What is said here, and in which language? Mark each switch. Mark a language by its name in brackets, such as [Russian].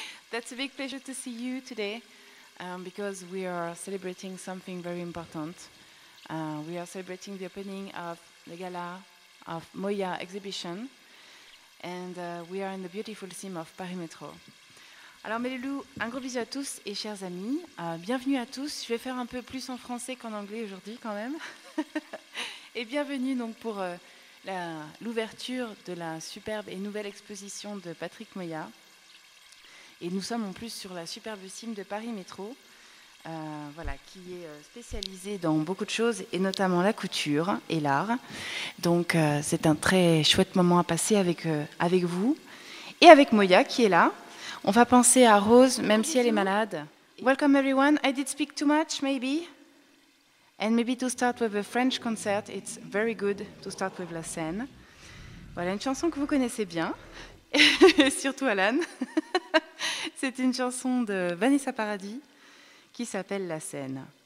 [English] That's a big pleasure to see you today because we are celebrating something very important. We are celebrating the opening of the gala of Moya exhibition and we are in the beautiful theme of Paris Métro. [French] Alors mes loulous, un gros bisou à tous et chers amis. Bienvenue à tous. Je vais faire un peu plus en français qu'en anglais aujourd'hui quand même. Et bienvenue donc pour l'ouverture de la superbe et nouvelle exposition de Patrick Moya. Et nous sommes en plus sur la superbe cime de Paris Métro, qui est spécialisée dans beaucoup de choses, et notamment la couture et l'art. Donc c'est un très chouette moment à passer avec vous et avec Moya qui est là. On va penser à Rose, même si elle est malade. [English] Welcome everyone. I did speak too much, maybe. And maybe to start with a French concert, it's very good to start with La Seine. [French] Voilà une chanson que vous connaissez bien, et surtout Alan. C'est une chanson de Vanessa Paradis qui s'appelle La Seine.